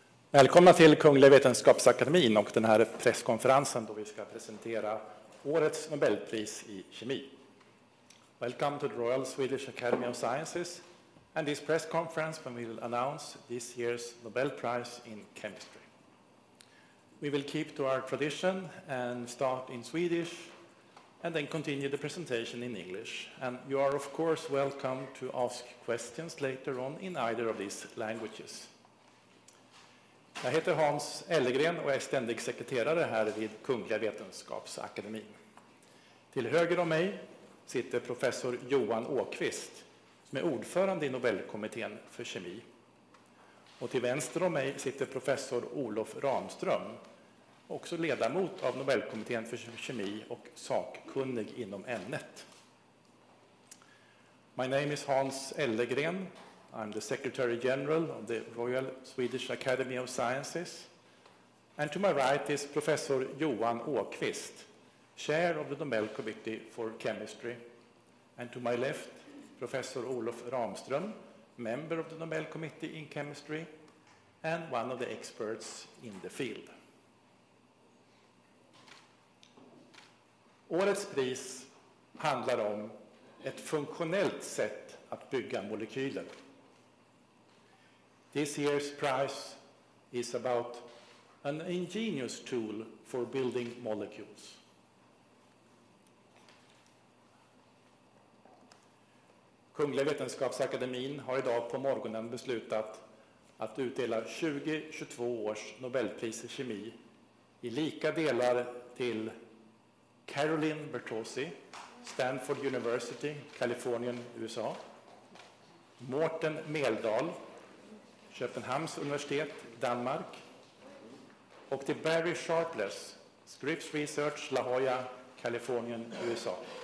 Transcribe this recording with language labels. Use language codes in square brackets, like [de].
[sv] Välkomna till Kungliga Vetenskapsakademin och den här presskonferensen då vi ska presentera årets Nobelpris I kemi. [en] Welcome to the Royal Swedish Academy of Sciences and this press conference when we will announce this year's Nobel Prize in Chemistry. We will keep to our tradition and start in Swedish and then continue the presentation in English. And you are of course welcome to ask questions later on in either of these languages. [sv] Jag heter Hans Ellegren och är ständig sekreterare här vid Kungliga Vetenskapsakademin. Till höger om mig sitter professor Johan Åkvist som är ordförande I Nobelkommittén för kemi. Och till vänster om mig sitter professor Olof Ramström, också ledamot av Nobelkommittén för kemi och sakkunnig inom ämnet. [en] My name is Hans Ellegren. I'm the Secretary General of the Royal Swedish Academy of Sciences. And to my right is Professor Johan Åkvist, Chair of the Nobel Committee for Chemistry. And to my left, Professor Olof Ramström, member of the Nobel Committee in Chemistry and one of the experts in the field. [sv] Årets pris handlar om ett funktionellt sätt att bygga molekyler. [en] This year's prize is about an ingenious tool for building molecules. [sv] Kungliga Vetenskapsakademin har idag på morgonen beslutat att utdela 2022 års Nobelpris I kemi I lika delar till Carolyn Bertozzi, Stanford University, Kalifornien, USA, Morten Meldal, Köpenhamns universitet, Danmark, och till Barry Sharpless, Scripps Research, La Jolla, Kalifornien, USA.